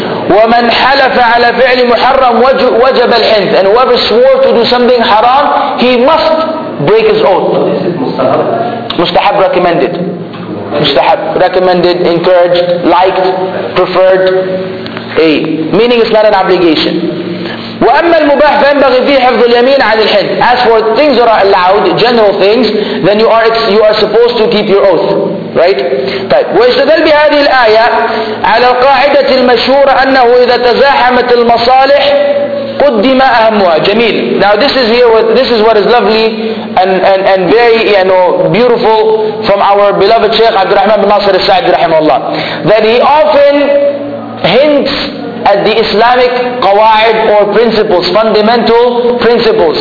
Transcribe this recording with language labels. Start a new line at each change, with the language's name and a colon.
Arabic: وَمَنْ حَلَفَ عَلَى فِعْلِ مُحَرَّمْ وَجَبَ الْحِنْثِ.
English: And whoever swore to do something haram, he must break his oath. This is mustahab. Mustahab, recommended. Mustahab, recommended, encouraged, liked, preferred. Meaning it's not an obligation.
Arabic: وأما المباح فينبغي فيه حفظ اليمين عن الحنث.
English: As for things that are allowed, general things, then you are supposed to keep your oath, right?
Arabic: طيب. ويستدل بهذه الآية على القاعدة المشهورة أنه إذا تزاحمت المصالح قدم أهمها. جميل.
English: Now this is what is lovely and very beautiful from our beloved Sheikh Abdul Rahman bin Nasir al-Sa'di رحمه الله, that he often hints at the Islamic qawaid or principles, fundamental principles.